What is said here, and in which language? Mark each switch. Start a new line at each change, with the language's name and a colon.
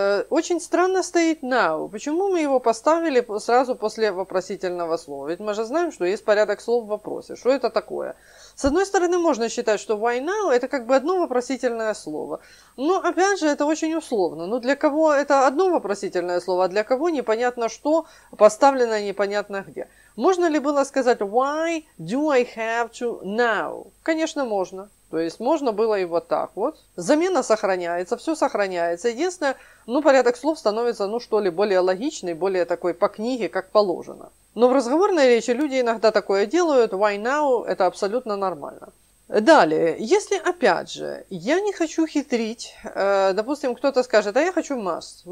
Russian: Очень странно стоит now. Почему мы его поставили сразу после вопросительного слова? Ведь мы же знаем, что есть порядок слов в вопросе. Что это такое? С одной стороны, можно считать, что why now – это как бы одно вопросительное слово. Но, опять же, это очень условно. Но для кого это одно вопросительное слово, а для кого непонятно что, поставленное непонятно где. Можно ли было сказать
English: why do I have to now?
Russian: Конечно, можно. То есть можно было и вот так вот. Замена сохраняется, все сохраняется. Единственное, ну, порядок слов становится, ну, что ли, более логичный, более такой по книге, как положено. Но в разговорной речи люди иногда такое делают.
English: Why now?
Russian: Это абсолютно нормально. Далее, если, опять же, я не хочу хитрить, допустим, кто-то скажет, а я хочу must.